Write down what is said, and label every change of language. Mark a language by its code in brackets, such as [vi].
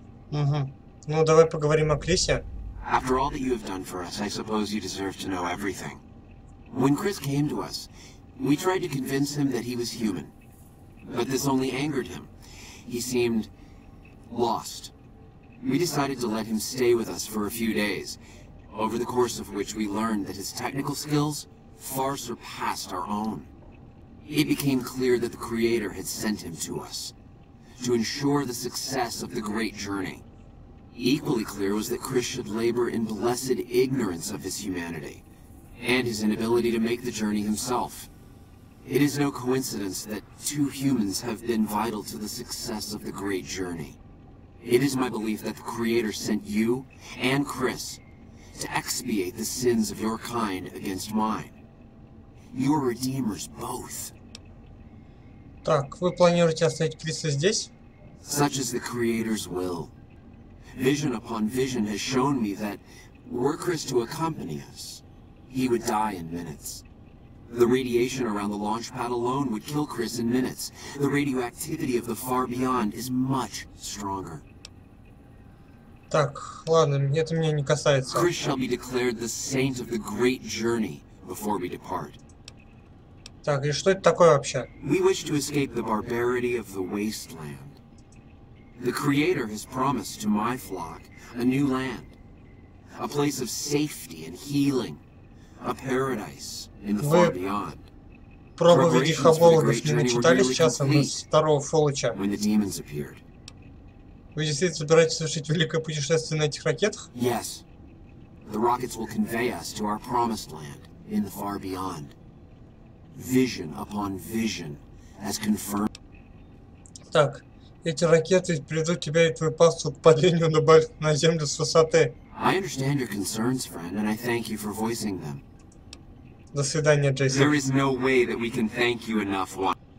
[ru] Ну, давай поговорим о Крисе. [en] After all that you have done for us, I suppose you deserve to know everything. When Chris came to us, we tried to convince him that he was human. But this only angered him. He seemed lost. We decided to let him stay with us for a few days, over the course of which we learned that his technical skills far surpassed our own. It became clear that the Creator had sent him to us to ensure the success of the great journey. Equally clear was that Chris should labor in blessed ignorance of his humanity and his inability to make the journey himself. It is no coincidence that two humans have been vital to the success of the great journey. It is my belief that the Creator sent you and Chris to expiate the sins of your kind against mine. You are redeemers both. [ru] Так, вы планируете оставить Криса здесь? [en] Such is the Creator's will. Vision upon vision has shown me that were Chris to accompany us, he would die in minutes. The radiation around the launch pad alone would kill Chris in minutes. The radioactivity of the far beyond is much stronger. [ru] Так, ладно, это меня не касается. [en] Chris shall be declared the saint of the great journey before we depart. [ru] Так, и что это такое вообще? [en] We wish to escape the barbarity of the wasteland. The Creator has promised to my flock a new land. A place of safety and healing. A paradise in the far beyond. [ru] Проповеди хабологов не начитали сейчас, у нас второго Фолыча. [en] When the demons appeared. [ru] Вы действительно собираетесь совершить великое путешествие на этих ракетах? [en] Yes. The rockets will convey us to our promised land in the far beyond. Vision upon vision has confirmed. [ru] Так, эти ракеты приведут тебя и твою пасту к падению на землю с высоты. [en] I understand your concerns, friend, and I thank you for voicing them. [ru] До свидания, Джейсон. [en] There is no way that we can thank you enough, Juan.